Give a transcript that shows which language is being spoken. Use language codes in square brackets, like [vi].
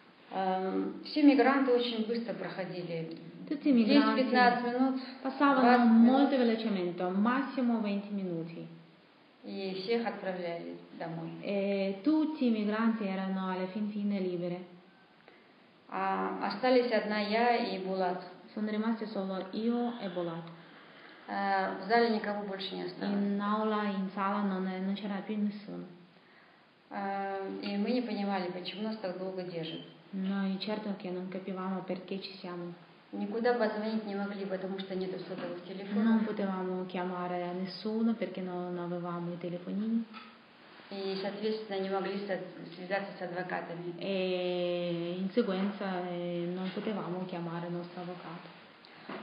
[ru] Все мигранты очень быстро проходили. [it] Tutti i migranti passavano molto velocemente, massimo 20 minuti. [ru] И всех отправляли домой. [it] Tutti i migranti erano alla fin fine liberi. [ru] Остались одна я и Булат. [it] Sono rimaste solo io e Булат. [ru] В зале никого больше не осталось. [it] In sala non c'era più nessuno. [ru] И мы не понимали, почему нас так долго держат. [it] Noi certo che non capivamo perché ci siamo. [ru] Никуда позвонить не могли, потому что нету сотовых телефонов. [it] Non potevamo chiamare nessuno perché non avevamo i telefonini. [ru] И, соответственно, не могли связаться с адвокатами. [it] E in seguenza non potevamo chiamare nostro avvocato.